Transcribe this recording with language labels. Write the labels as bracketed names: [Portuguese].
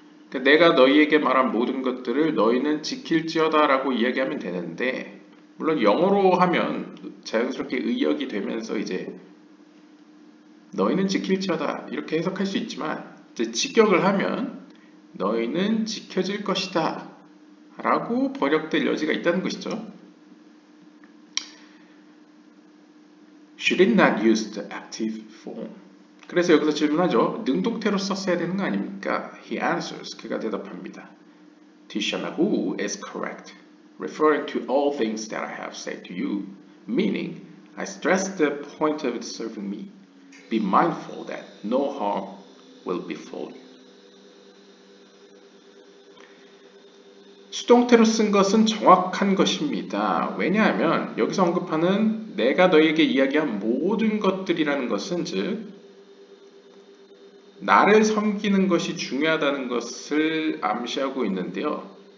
[Korean] 그러니까 내가 너희에게 말한 모든 것들을 너희는 지킬지어다 라고 이야기하면 되는데, 물론 영어로 하면 자연스럽게 의역이 되면서 이제 너희는 지킬지어다 이렇게 해석할 수 있지만, 이제 직역을 하면 너희는 지켜질 것이다 라고 번역될 여지가 있다는 것이죠. [English] Should it not use the active form? [Korean] 그래서 여기서 질문하죠. 능동태로 썼어야 되는 거 아닙니까? [English] He answers. [Korean] 그가 대답합니다. [English] Tishanahu is correct. Referring to all things that I have said to you. Meaning, I stress the point of it serving me. Be mindful that no harm will befall you. [Korean] 수동태로 쓴 것은 정확한 것입니다. 왜냐하면 여기서 언급하는 내가 너에게 이야기한 모든 것들이라는 것은 즉 나를 섬기는 것이 중요하다는 것을 암시하고 있는데요.